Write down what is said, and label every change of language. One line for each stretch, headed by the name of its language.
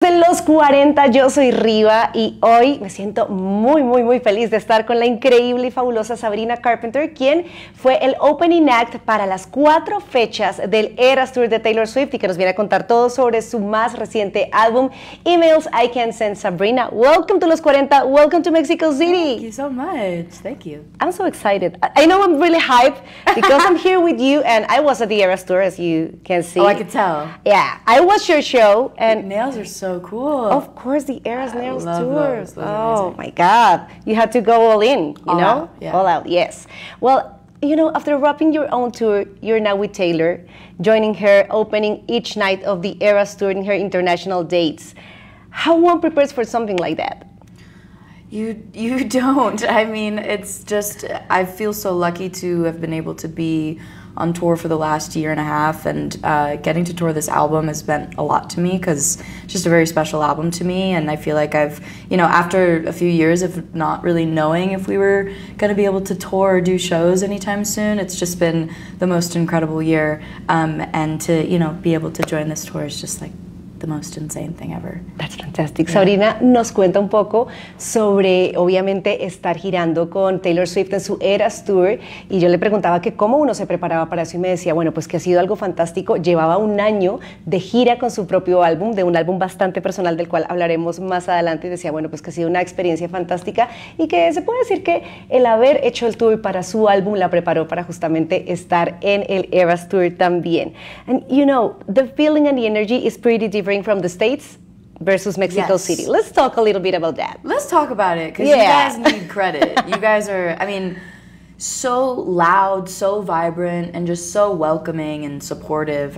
Spanish: de Los 40, yo soy Riva y hoy me siento muy, muy, muy feliz de estar con la increíble y fabulosa Sabrina Carpenter, quien fue el opening act para las 4 fechas del Eras Tour de Taylor Swift y que nos viene a contar todo sobre su más reciente álbum, Emails I Can Send Sabrina.
English: Welcome to Los 40, welcome to Mexico City. Thank you so much, thank you. I'm so excited. I know I'm really hyped because I'm here with you and I was at the Eras Tour, as you can see. Oh, I could tell. Yeah, I watched your show and... Your nails are so cool. Of course, the Eras Nails Tour. Those. Oh my God. You had to go all in, you all know? Out, yeah. All out, yes. Well, you know, after wrapping your own tour, you're now with Taylor, joining her opening each night of the Eras Tour in her international dates. How one prepares for something like that? You don't. I mean, it's just, I feel so lucky to have been able to be on tour for the last year and a half, and getting to tour this album has meant a lot to me because it's just a very special album to me, and I feel like I've, you know, after a few years of not really knowing if we were going to be able to tour or do shows anytime soon, it's just been the most incredible year, and to, you know, be able to join this tour is just like the most insane thing ever. That's fantastic. Yeah.
Spanish: Sabrina nos cuenta un poco sobre, obviamente, estar girando con Taylor Swift en su Eras Tour. Y yo le preguntaba que cómo uno se preparaba para eso. Y me decía, bueno, pues que ha sido algo fantástico. Llevaba un año de gira con su propio álbum, de un álbum bastante personal del cual hablaremos más adelante. Y decía, bueno, pues que ha sido una experiencia fantástica. Y que se puede decir que el haber hecho el tour para su álbum la preparó para justamente estar en el Eras Tour también.
English: And you know, the feeling and the energy is pretty different from the States versus Mexico yes. City. Let's talk a little bit about that. Let's talk about it, because yeah. You guys need credit. You guys are, I mean, so loud, so vibrant, and just so welcoming and supportive.